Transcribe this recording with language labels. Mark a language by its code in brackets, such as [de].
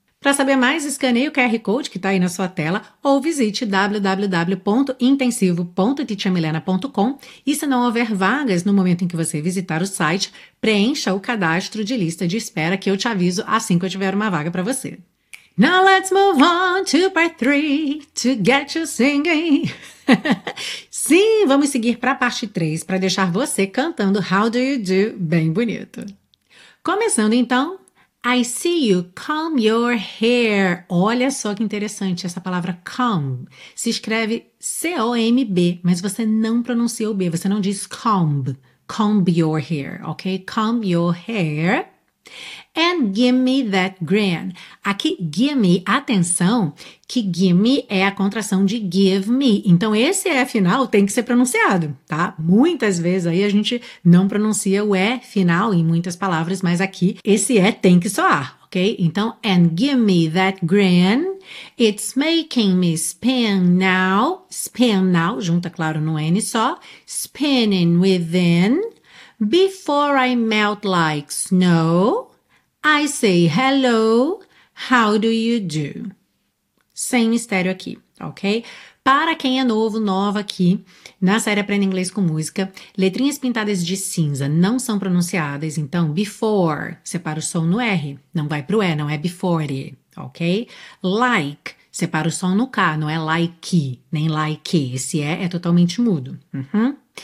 [pt] Para saber mais, escaneie o QR Code que está aí na sua tela ou visite www.intensivo.teachamilena.com e se não houver vagas no momento em que você visitar o site, preencha o cadastro de lista de espera que eu te aviso assim que eu tiver uma vaga para você. [en] Now let's move on to part 3 to get you singing. [pt] Sim, vamos seguir para a parte 3 para deixar você cantando How Do You Do bem bonito. Começando então, [en] I see you comb your hair. [pt] Olha só que interessante essa palavra comb. Se escreve C-O-M-B, mas você não pronuncia o B, você não diz comb. [en] Comb your hair, ok? Comb your hair. And give me that grin. [pt] Aqui, [en] give me, [pt] atenção, que [en] give me [pt] é a contração de [en] give me. [pt] Então, esse E final tem que ser pronunciado, tá? Muitas vezes aí a gente não pronuncia o E final em muitas palavras, mas aqui esse E tem que soar, ok? Então, [en] and give me that grin. It's making me spin now. Spin now, [pt] junta, claro, no N só. [en] Spinning within. Before I melt like snow, I say hello, how do you do? [pt] Sem mistério aqui, ok? Para quem é novo, nova aqui, na série Aprenda Inglês com Música, letrinhas pintadas de cinza não são pronunciadas, então before, separa o som no R, não vai pro E, não é before, ok? Like, separa o som no K, não é like, nem like, esse E é totalmente mudo. Uhum.